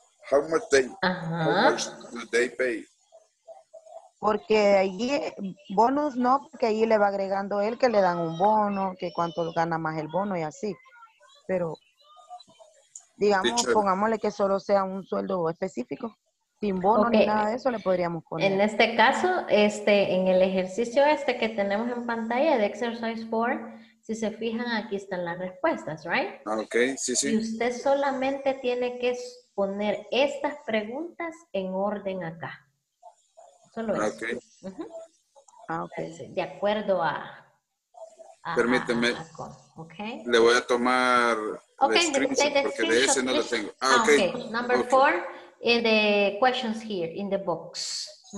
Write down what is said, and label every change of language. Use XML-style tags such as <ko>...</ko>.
<en>How much they how much do they pay?</en> <es>Porque ahí bonus no, porque ahí le va agregando él que le dan un bono, que cuánto gana más el bono y así. Pero digamos, teacher, pongámosle que solo sea un sueldo específico, sin bono ni nada de eso le podríamos poner. En este caso, en el ejercicio este que tenemos en pantalla de Exercise 4, si se fijan, aquí están las respuestas, ¿right? Ok, sí, sí. Y usted solamente tiene que poner estas preguntas en orden acá. Solo eso.</es> <en>Ok.</en> <es>De acuerdo a... Permíteme.</es> <en>Okay.</en> <es>Le voy a tomar porque de ese no lo tengo.</es> <en>Okay. Number 4 in the questions here in the box.</en>